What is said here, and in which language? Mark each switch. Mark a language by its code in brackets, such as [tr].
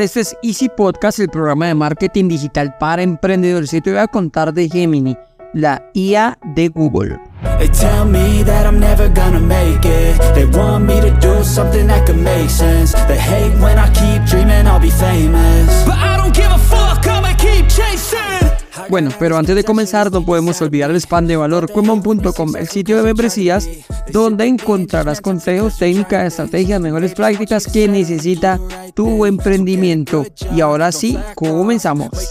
[es] Esto es Easy Podcast, el programa de marketing digital para emprendedores. Y te voy a contar de Gemini, la IA de Google. [en] They tell me that I'm never gonna make it. They want me to do something that could make sense. They hate when I keep dreaming I'll be famous. But I don't give a fuck, I'ma keep chasing. [es] Bueno, pero antes de comenzar, no podemos olvidar el spam de valor Quemon.com, el sitio de membresías donde encontrarás consejos, técnicas, estrategias, mejores prácticas que necesita tu emprendimiento. Y ahora sí, comenzamos.